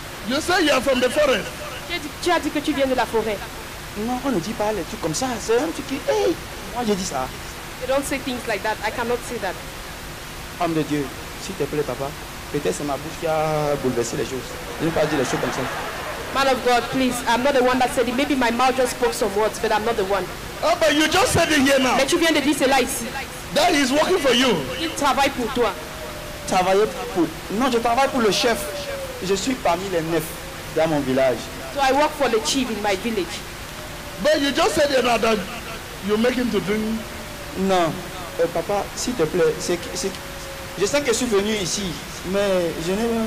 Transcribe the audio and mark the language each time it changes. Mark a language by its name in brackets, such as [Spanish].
[English] You say you are from the forest. [French] Tu as dit que tu viens de la forêt. Non, on ne dit pas les trucs comme ça. C'est un truc qui. Hey, moi j'ai dit ça. [English] You don't say things like that. I cannot say that. [French] Homme de Dieu, s'il te plaît, papa. Peut-être c'est ma bouche qui a bouleversé les choses. Je n'ai pas dit les choses comme ça. [English] Man of God, please, I'm not the one that said it. Maybe my mouth just spoke some words, but I'm not the one. Oh, but you just said it here now. [French] Mais tu viens de dire cela ici. [English] That is working for you. [French] Il travaille pour toi. Travailler pour. Non, je travaille pour le chef. Je suis parmi les neuf dans mon village. [English] So I work for the chief in my village. But you just said it now that you make him to drink. [French] Non. Papa, s'il te plaît, c'est... Je sais que je suis venu ici, mais je n'ai...